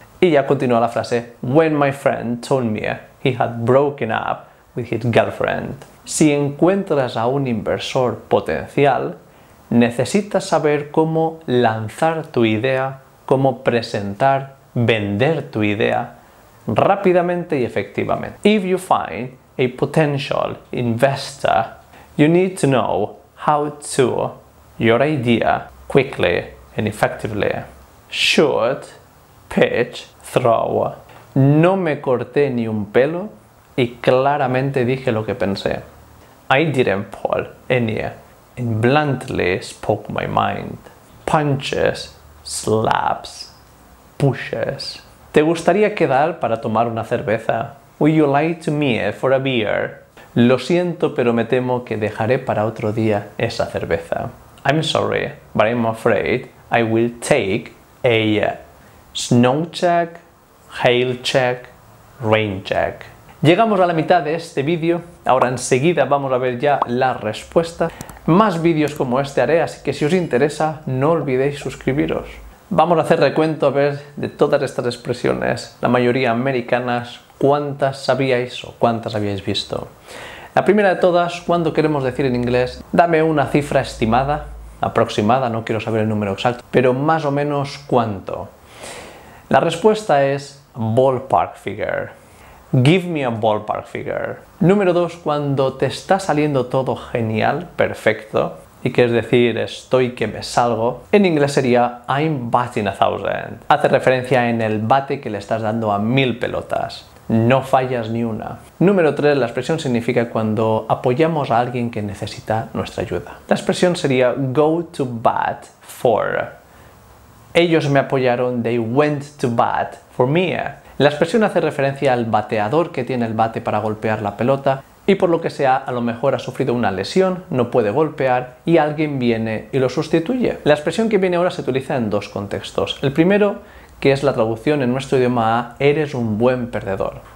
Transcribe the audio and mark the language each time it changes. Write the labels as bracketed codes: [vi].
[es] Y ya continúa la frase, [en] when my friend told me he had broken up with his girlfriend. [es] Si encuentras a un inversor potencial, necesitas saber cómo lanzar tu idea, cómo presentar, vender tu idea rápidamente y efectivamente. [en] If you find a potential investor, you need to know how to your idea quickly and effectively. Shoot, pitch, throw. [es] No me corté ni un pelo y claramente dije lo que pensé. [en] I didn't pull any and bluntly spoke my mind. Punches, slaps, pushes. [es] ¿Te gustaría quedar para tomar una cerveza? [en] Would you like to meet for a beer? [es] Lo siento, pero me temo que dejaré para otro día esa cerveza. [en] I'm sorry, but I'm afraid I will take a snow check, hail check, rain check. [es] Llegamos a la mitad de este vídeo. Ahora enseguida vamos a ver ya la respuesta. Más vídeos como este haré, así que si os interesa, no olvidéis suscribiros. Vamos a hacer recuento a ver de todas estas expresiones, la mayoría americanas, cuántas sabíais o cuántas habíais visto. La primera de todas, cuando queremos decir en inglés, dame una cifra estimada, aproximada, no quiero saber el número exacto, pero más o menos cuánto. La respuesta es [en] ballpark figure. Give me a ballpark figure. [es] Número 2, cuando te está saliendo todo genial, perfecto, y quieres decir estoy que me salgo, en inglés sería [en] I'm batting 1000. [es] Hace referencia en el bate que le estás dando a 1000 pelotas. No fallas ni una. Número 3, la expresión significa cuando apoyamos a alguien que necesita nuestra ayuda. La expresión sería [en] go to bat for. [es] Ellos me apoyaron, [en] they went to bat for me. [es] La expresión hace referencia al bateador que tiene el bate para golpear la pelota y por lo que sea, a lo mejor ha sufrido una lesión, no puede golpear y alguien viene y lo sustituye. La expresión que viene ahora se utiliza en dos contextos. El primero, que es la traducción en nuestro idioma a eres un buen perdedor.